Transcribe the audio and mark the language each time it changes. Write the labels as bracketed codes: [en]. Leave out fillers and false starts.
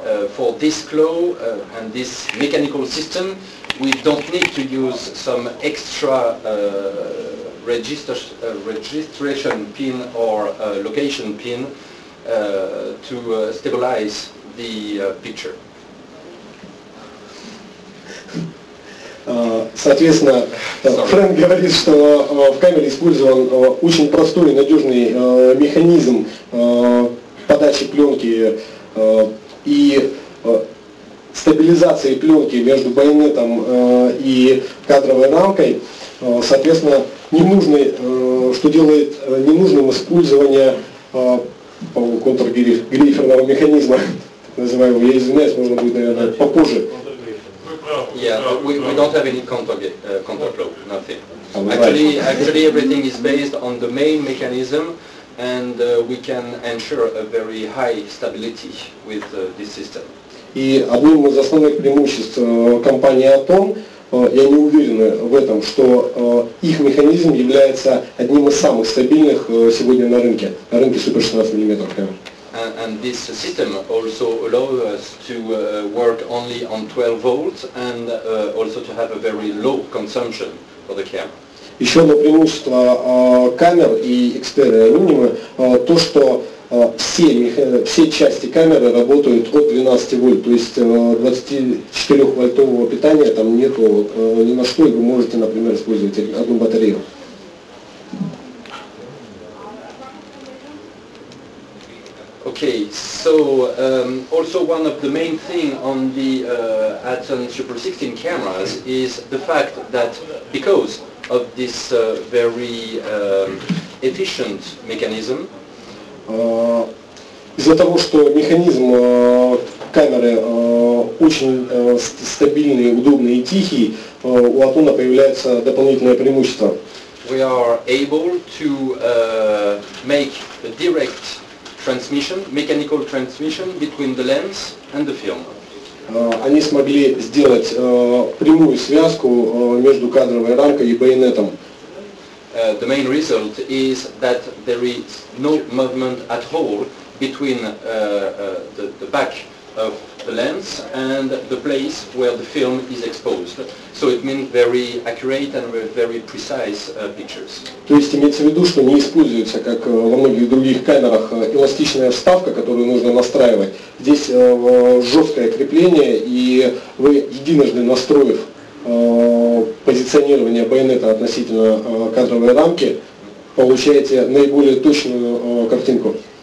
[en] For this claw and this mechanical system, we don't need to use some extra registration pin or location pin to stabilize the picture. [ru] Соответственно, Фрэнк говорит, что в камере использован очень простой и надежный механизм подачи пленки и стабилизации пленки между байонетом и кадровой рамкой. Соответственно, не нужным использование контргриферного механизма, называемого, я извиняюсь, можно будет, наверное, попозже. [en] Yeah, we don't have any counter-claw, nothing. Actually, everything is based on the main mechanism, and we can ensure a very high stability with this system. [ru] И одним из основных преимуществ компании Atom, я не уверен в этом, что их механизм является одним из самых стабильных сегодня на рынке Super 16 мм камер. [en] And this system also allows us to work only on 12 volts and also to have a very low consumption for the camera. [ru] Еще одно преимущество камер и Xperia Lumia то, что все части камеры работают от 12 вольт, то есть 24-вольтового питания там нету ни на что, и вы можете, например, использовать одну батарею. [en] Okay, so also one of the main thing on the Adson Super 16 cameras is the fact that because of this very efficient mechanism. [ru] Из-за того, что механизм камеры очень стабильный, удобный и тихий, у Атона появляется дополнительное преимущество. [en] We are able to make a direct transmission, mechanical transmission between the lens and the film. [ru] Они смогли сделать прямую связку между кадровой рамкой и байонетом. [en] The main result is that there is no movement at all between the back of the lens and the place where the film is exposed. So it means very accurate and very precise pictures. [ru] То есть имеется в виду, что не используется, как во многих других камерах, эластичная вставка, которую нужно настраивать. Здесь жесткое крепление, и вы единожды настроив позиционирование байонета относительно кадровой рамки, получаете наиболее точную картинку.